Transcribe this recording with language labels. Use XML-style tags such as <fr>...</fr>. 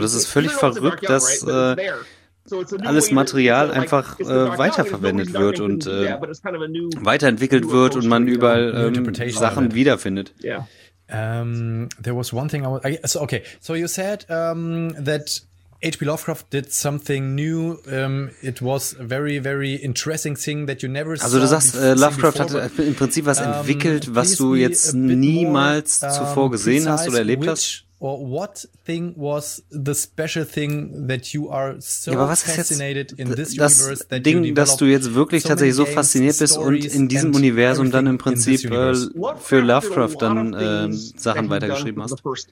<de>Das ist völlig verrückt, dass alles Material einfach weiterverwendet wird und weiterentwickelt wird und man überall Sachen wiederfindet.</de> <en>There was one thing so you said that H.P. Lovecraft did something new. It was a very, very interesting thing that you never saw.</en> <de>Also du sagst, Lovecraft hat im Prinzip was entwickelt, was du jetzt niemals zuvor gesehen hast oder erlebt hast.</de> <en>Or what thing was the special thing that you are so fascinated in this</en> <de>das</de> <en>universe that</en> <de>Ding,</de> <en>you developed</en> <de>dass du jetzt wirklich so tatsächlich so fasziniert bist und in diesem Universum dann im Prinzip für Lovecraft dann Sachen weitergeschrieben hast.</de>